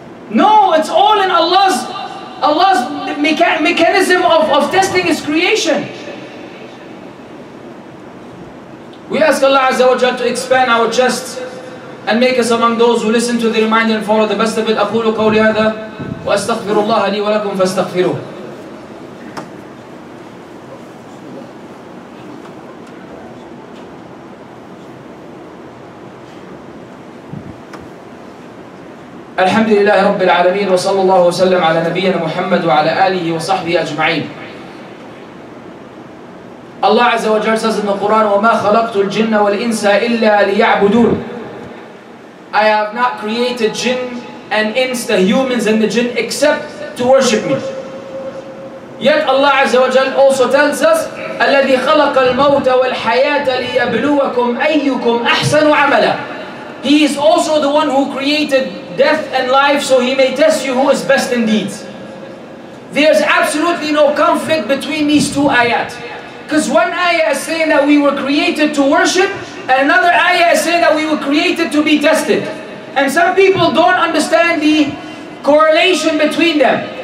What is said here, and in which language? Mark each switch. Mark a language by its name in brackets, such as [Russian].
[English] No, it's all in Allah's mechanism of testing His creation. We ask Allah Azza wa Jalla to expand our chest and make us among those who listen to the reminder and follow the best of it. [Arabic] أقول قولي هذا وأستغفر الله لي ولكم فاستغفروه. الحمد لله رب العالمين وصلى الله وسلم على نبينا محمد وعلى آله وصحبه أجمعين. الله عز وجل [English] says in the Quran, [Arabic] وما خلقت الجن والإنس إلا ليعبدون. [English] I have not created jinn and ins, the humans and the jinn, except to worship me. Yet Allah [Arabic] عز وجل [English] also tells us, [Arabic] الذي خلق الموت والحياة ليبلوكم أيكم أحسن عملا. [English] He is also the one who created death and life, so He may test you who is best in deeds. There's absolutely no conflict between these two ayat. Because one ayah is saying that we were created to worship, And another ayah is saying that we were created to be tested. And some people don't understand the correlation between them.